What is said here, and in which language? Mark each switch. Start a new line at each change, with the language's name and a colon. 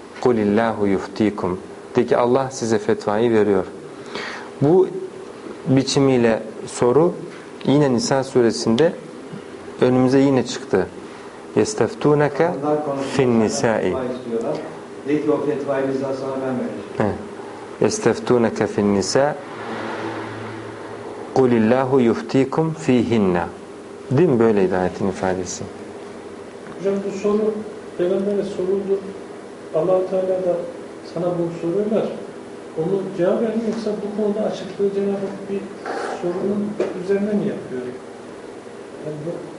Arabic: قُلِ اللّٰهُ يُفْت۪يكُمْ
Turkish: de ki Allah size fetvayı veriyor. Bu biçimiyle soru yine Nisa suresinde önümüze yine çıktı.
Arabic: يَسْتَفْتُونَكَ فِي النِّسَاءِ
Turkish: de ki o fetvayı biz daha sana ben vereceğim.
Arabic: يَسْتَفْتُونَكَ فِي النِّسَاءِ قُلِ اللّٰهُ يُفْت۪يكُمْ ف۪يهِنَّ
Turkish: değil mi? Böyleydi ayetin ifadesi. Hocam bu soru Peygamber'e soruldu. Allah-u Teala da sana bunu soruyorlar. Onu cevap vermiyor. Yoksa bu konuda açıklığı Cenab-ı Hak bir sorunun üzerine mi yapıyor? Yani bu...